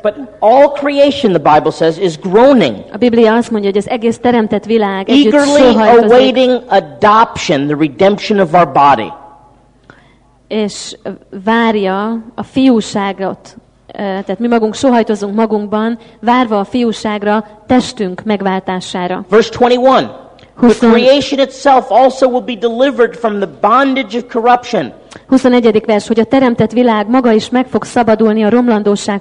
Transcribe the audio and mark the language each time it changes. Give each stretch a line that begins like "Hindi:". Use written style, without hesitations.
English: But all creation, the Bible says, is groaning.
Hungarian: A Biblia azt mondja, hogy az egész teremtett világ együtt
English: eagerly awaiting adoption, the redemption of our body.
Hungarian: És várja a fiúságot. Tehát mi magunk sóhajtozunk magunkban, várva a fiúságra, testünk megváltására.
English: Verse 21. The creation itself also will be delivered from the bondage of corruption.
Hungarian: 21. vers, hogy a teremtett világ maga is meg fog szabadulni a romlandóság